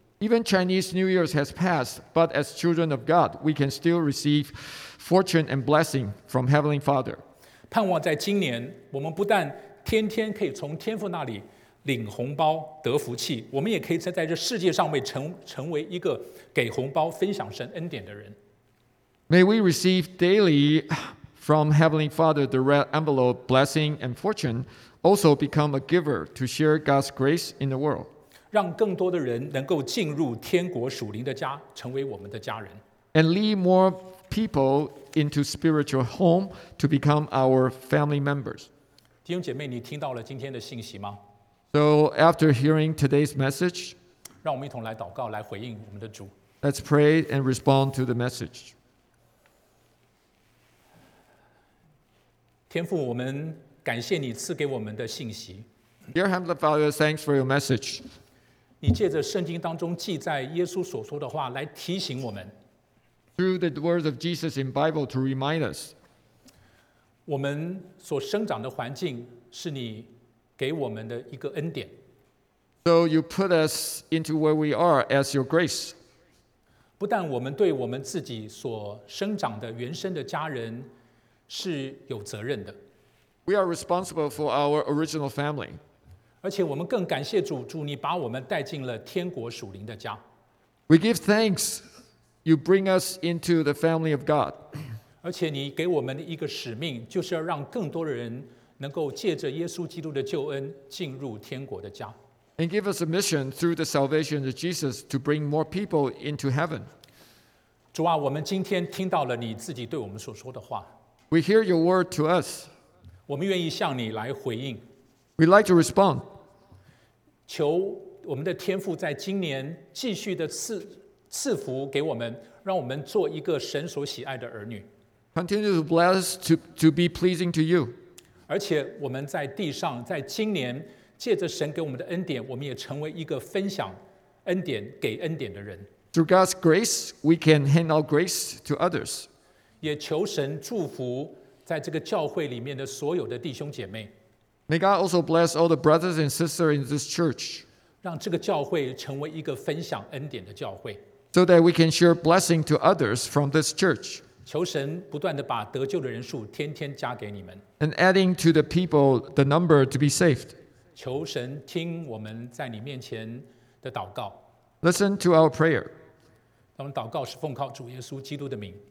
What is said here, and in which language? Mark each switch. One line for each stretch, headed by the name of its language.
English: Even Chinese New Year has passed, but as children of God, we can still receive fortune and blessing from Heavenly Father.
Chinese: 盼望在今年，我们不但天天可以从天父那里领红包得福气，我们也可以在这世界上为成为一个给红包分享神恩典的人。
English: May we receive daily from Heavenly Father the red envelope blessing and fortune, also become a giver to share God's grace in the world.
Chinese: 让更多的人能够进入天国属灵的家，成为我们的家人。
English: And lead more people into spiritual home to become our family members.
Chinese: 弟兄姐妹，你听到了今天的信息吗？
English: So after hearing today's message,
Chinese: 让我们一同来祷告，来回应我们的主。
English: Let's pray and respond to the message.
Chinese: 天父，我们感谢你赐给我们的信息。
English: Dear Heavenly Father, thanks for your message.
Chinese: 你借着圣经当中记载耶稣所说的话来提醒我们。
English: Through the words of Jesus in Bible to remind us.
Chinese: 我们所生长的环境是你给我们的一个恩典。
English: So you put us into where we are as your grace.
Chinese: 不但我们对我们自己所生长的原生的家人是有责任的。
English: We are responsible for our original family.
Chinese: 而且我们更感谢主，主你把我们带进了天国属灵的家。
English: We give thanks, you bring us into the family of God.
Chinese: 而且你给我们的一个使命，就是要让更多的人能够借着耶稣基督的救恩进入天国的家。
English: And give us a mission through the salvation of Jesus to bring more people into heaven.
Chinese: 主啊，我们今天听到了你自己对我们所说的话。
English: We hear your word to us.
Chinese: 我们愿意向你来回应。
English: We'd like to respond.
Chinese: 求我们的天父在今年继续的赐福给我们，让我们做一个神所喜爱的儿女。
English: Continue to bless to be pleasing to you.
Chinese: 而且我们在地上，在今年借着神给我们的恩典，我们也成为一个分享恩典给恩典的人。
English: Through God's grace, we can hand out grace to others.
Chinese: 也求神祝福在这个教会里面的所有的弟兄姐妹。
English: May God also bless all the brothers and sisters in this church.
Chinese: 让这个教会成为一个分享恩典的教会。
English: So that we can share blessing to others from this church.
Chinese: 求神不断地把得救的人数天天加给你们。
English: And adding to the people the number to be saved.
Chinese: 求神听我们在你面前的祷告。
English: Listen to our prayer.
Chinese: 我们祷告是奉靠主耶稣基督的名。